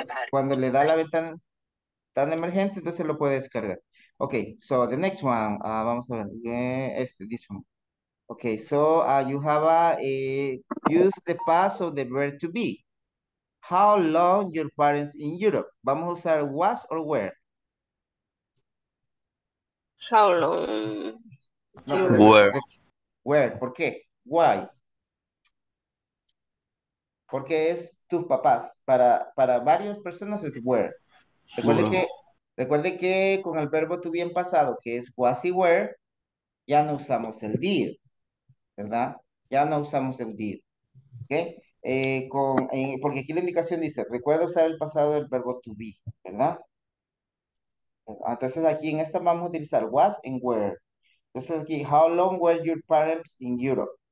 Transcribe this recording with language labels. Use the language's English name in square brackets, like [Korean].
[Spanish] Cuando le da la ventana tan emergente, entonces lo puede descargar. [English] Ok, so the next one. [Spanish] Vamos a ver. [English] This one. Ok, so you have use the past of the verb to be. How long your parents in Europe? [Spanish] Vamos a usar [English] was or were. How long... No, where? Where? [Spanish] ¿Por qué? [English] Why? [Spanish] Porque es tus papás. Para varias personas es were. Recuerde que con el verbo to be en pasado, que es was y were, ya no usamos el did. ¿Verdad? Ya no usamos el did. ¿Ok? Porque aquí la indicación dice, recuerda usar el pasado del verbo to be. ¿Verdad? Entonces aquí en esta vamos a utilizar was and were. Entonces aquí, [English] how long were your parents in Europe?